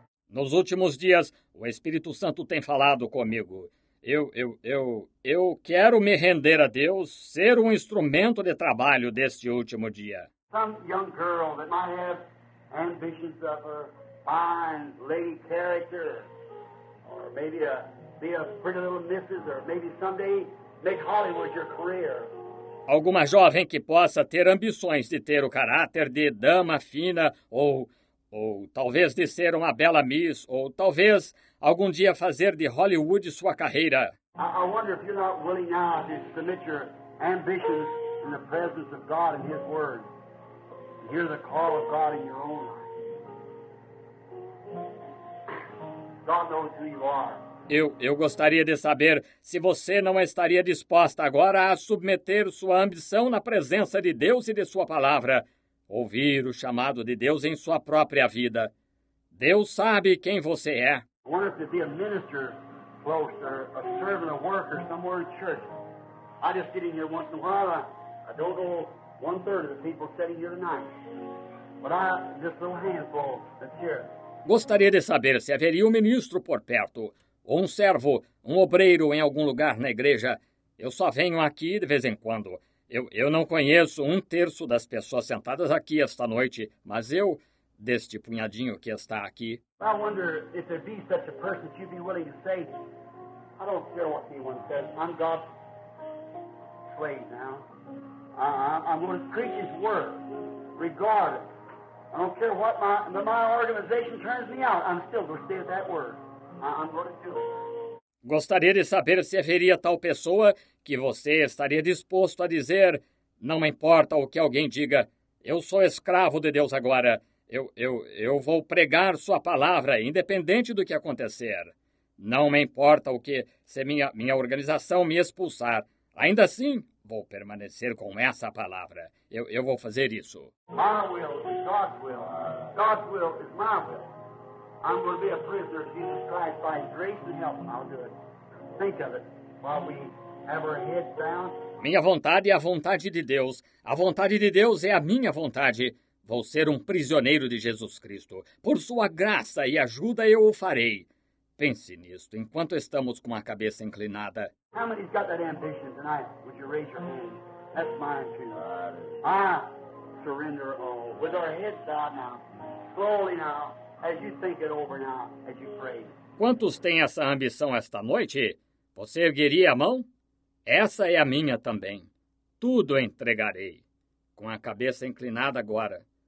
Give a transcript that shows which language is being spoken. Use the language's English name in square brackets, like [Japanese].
[Portuguese] Nos últimos dias, o Espírito Santo tem falado comigo. Eu quero me render a Deus, ser um instrumento de trabalho deste último dia. [English] Some young girl that might have ambitions of a fine lady character, or maybe be a pretty little missus, or maybe someday make Hollywood your career. [Portuguese] Alguma jovem que possa ter ambições de ter o caráter de dama fina, ou talvez de ser uma bela miss, ou talvez algum dia fazer de Hollywood sua carreira. [English] I wonder if you're not willing now to submit your ambitions in the presence of God and His Word. Hear the call of God in your own life. God knows who you are. [Portuguese] Eu gostaria de saber se você não estaria disposta agora a submeter sua ambição na presença de Deus e de sua palavra. Ouvir o chamado de Deus em sua própria vida. Deus sabe quem você é. [English] I wonder if you'd be a minister close, or a servant, a worker somewhere in church. I just sit in here once in a while. I don't know one third of the people sitting here tonight. But I just a little handful that's here. [Portuguese] Gostaria de saber se haveria um ministro por perto, ou um servo, um obreiro em algum lugar na igreja. Eu só venho aqui de vez em quando. Eu não conheço um terço das pessoas sentadas aqui esta noite, mas eu, deste punhadinho que está aqui. [English] I wonder if there be such a person that you'd be willing to say, I don't care what anyone says, I'm God's slave now. I'm going to preach His word, regardless. I don't care what my organization turns me out, I'm still going to stay with that word. I'm going to do it. [Portuguese] Gostaria de saber se haveria tal pessoa que você estaria disposto a dizer, não me importa o que alguém diga, eu sou escravo de Deus agora, eu vou pregar sua palavra, independente do que acontecer. Não me importa o que, se minha organização me expulsar, ainda assim vou permanecer com essa palavra, eu vou fazer isso. [English] My will is God's will. God's will is my will. I'm going to be a prisoner of Jesus Christ by His grace and help. I'll do it. Think of it while we have our heads down. [Portuguese] Minha vontade é a vontade de Deus. A vontade de Deus é a minha vontade. Vou ser um prisioneiro de Jesus Cristo. Por sua graça e ajuda eu o farei. Pense nisto enquanto estamos com a cabeça inclinada. [English] How many's got that ambition tonight? Would you raise your hand? That's mine too. I surrender all. With our heads down now. Slowly now. As you think it over now, as you pray. [Portuguese] Quantos têm essa ambição esta noite? Você ergueria a mão? Essa é a minha também. Tudo entregarei. Com a cabeça inclinada agora.